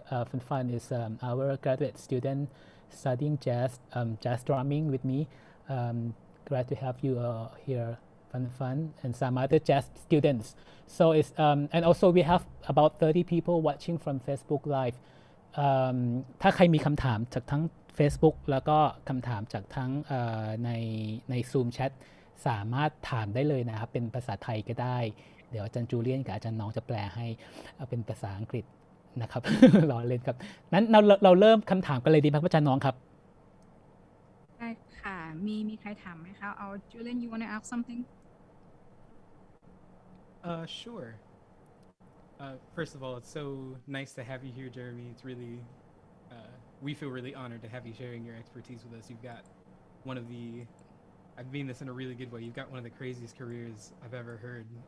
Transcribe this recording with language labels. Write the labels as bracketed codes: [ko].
[en] Fan Fan is our graduate student studying jazz drumming with me. Glad to have you here, Fan, and some other jazz students. So it's and also we have about 30 people watching from Facebook Live. [th] ถ้าใครมีคำถามจากทั้ง Facebook แล้วก็คำถามจากทั้งใน Zoom Chat สามารถถามได้เลยนะครับเป็นภาษาไทยก็ได้เดี๋ยวอาจารย์จูเลียนกับอาจารย์น้องจะแปลให้เป็นภาษาอังกฤษนะครับรอเล่นครับนั้นเราเริ่มคำถามกันเลยดีไหมอาจารย์น้องครับ ได้ค่ะมีใครถามไหมคะเอาจูเลียน [en] you wanna ask something sure first of all, it's so nice to have you here, Jeremy. It's really, we feel really honored to have you sharing your expertise with us. You've got one of the, I mean this in a really good way, you've got one of the craziest careers I've ever heard.